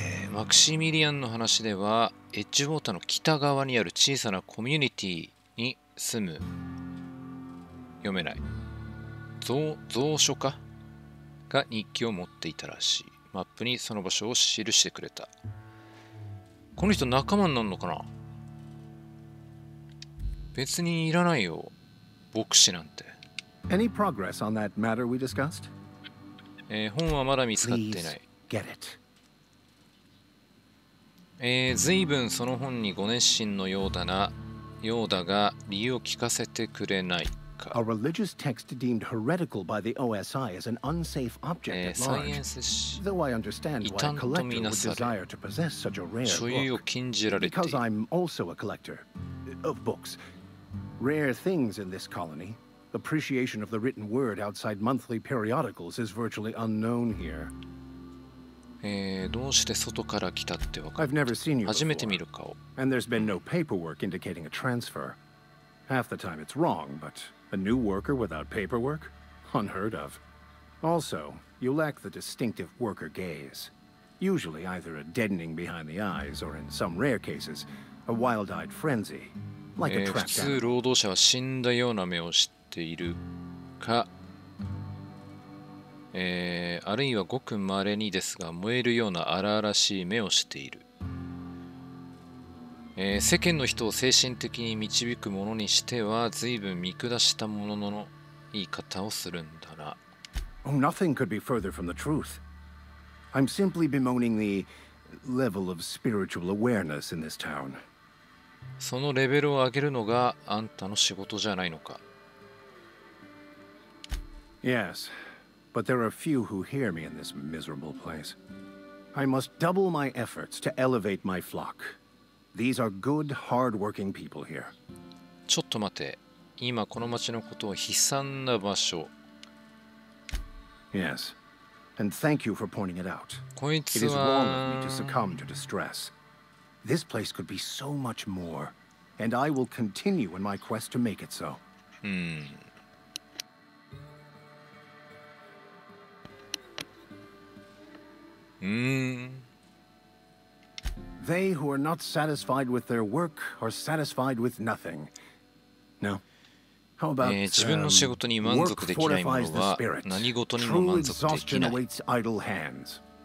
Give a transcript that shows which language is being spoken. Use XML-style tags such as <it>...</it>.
<ja>マクシミリアンの話では、エッジウォーターの北側にある小さなコミュニティに住む、読めない、蔵書家が日記を持っていたらしい。マップにその場所を記してくれた。この人仲間になるのかな。別にいらないよ、牧師なんて。</ja> <en>Any progress on that matter we discussed?</en> <ja>本はまだ見つかってない。</ja> <en>Get it.</en> <ja>随分その本にご熱心のようだな、ようだが、理由を聞かせてくれないか。</ja> <en>A religious text deemed heretical by the OSI as an unsafe object at large.</en> <ja>サイエンス誌。</ja> <en>Though I understand why a collector would desire to possess such a rare book.</en> <ja>所有を禁じられている。</ja> <en>Because I'm also a collector of books. Rare things in this colony. Appreciation of the written word outside monthly periodicals is virtually unknown here.</en> <ja>どうして外から来たってわかる。</ja> <en>I've never seen you before.</en> <ja>初めて見る顔。</ja> <en>And there's been no paperwork indicating a transfer. Half the time it's wrong, but a new worker without paperwork? Unheard of. Also, you lack the distinctive worker gaze. Usually either a deadening behind the eyes or in some rare cases, a wild-eyed frenzy. Like a trapped animal.</en> <ja>普通労働者は死んだような目をしているか、あるいはごく稀にですが燃えるような荒々しい目をしている、世間の人を精神的に導くものにしては随分見下したものの言い方をするんだな。</ja> <en>Oh, nothing could be further from the truth. I'm simply bemoaning the level of spiritual awareness in this town.</en> <ja>そのレベルを上げるのがあんたの仕事じゃないのか。</ja> <en>Yes, but there are few who hear me in this miserable place. I must double my efforts to elevate my flock. These are good, hard-working people here.</en> <ja>ちょっと待て。今この町のことを悲惨な場所。</ja> <en>Yes, and thank you for pointing it out.</en> <ja>こいつは…</ja> <en>It is wrong of me to succumb to distress. This place could be so much more, and I will continue in my quest to make it so. They who are not satisfied with their work are satisfied with nothing. No. How about</en> <ja>自分の仕事に満足できないものは何事にも満足できない。</ja> <en>True exhaustion awaits idle hands.</en>